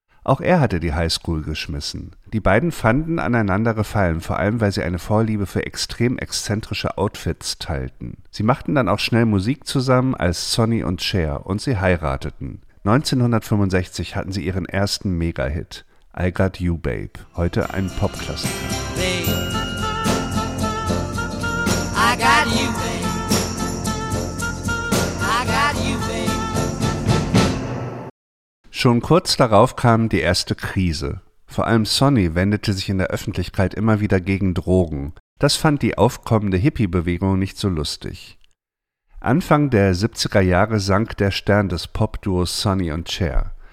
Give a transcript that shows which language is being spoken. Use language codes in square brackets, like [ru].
[de] Auch er hatte die Highschool geschmissen. Die beiden fanden aneinander gefallen, vor allem weil sie eine Vorliebe für extrem exzentrische Outfits teilten. Sie machten dann auch schnell Musik zusammen als Sonny und Cher und sie heirateten. 1965 hatten sie ihren ersten Mega-Hit, I Got You Babe, heute ein Popklassiker. [en] Babe. I got you, babe. I got you, babe. [de] Schon kurz darauf kam die erste Krise. Vor allem Sonny wendete sich in der Öffentlichkeit immer wieder gegen Drogen. Das fand die aufkommende Hippie-Bewegung nicht so lustig. Anfang der 70er Jahre sank der Stern des Pop-Duos Sonny und Cher.